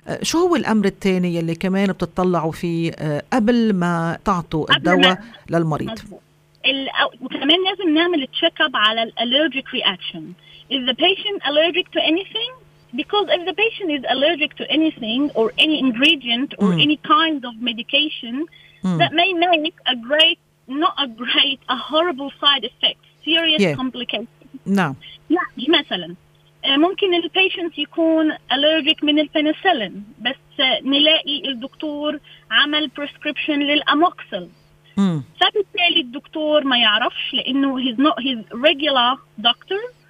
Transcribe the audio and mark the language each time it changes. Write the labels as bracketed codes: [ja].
[ar] شو هو الأمر الثاني اللي كمان بتطلعوا فيه قبل ما تعطوا الدواء للمريض؟ وكمان لازم نعمل [en] check up [ar] على [en] الالرجيك reaction. Is the patient allergic to anything? Because if the patient is allergic to anything or any ingredient or any kind of medication, that may make a great, not a great, a horrible side effect, serious complication. [ar] نعم. مثلا ممكن البيشنت يكون allergic من البنسلين، بس نلاقي الدكتور عمل prescription للأموكسل. فبالتالي الدكتور ما يعرفش لأنه [en] he's not his regular doctor.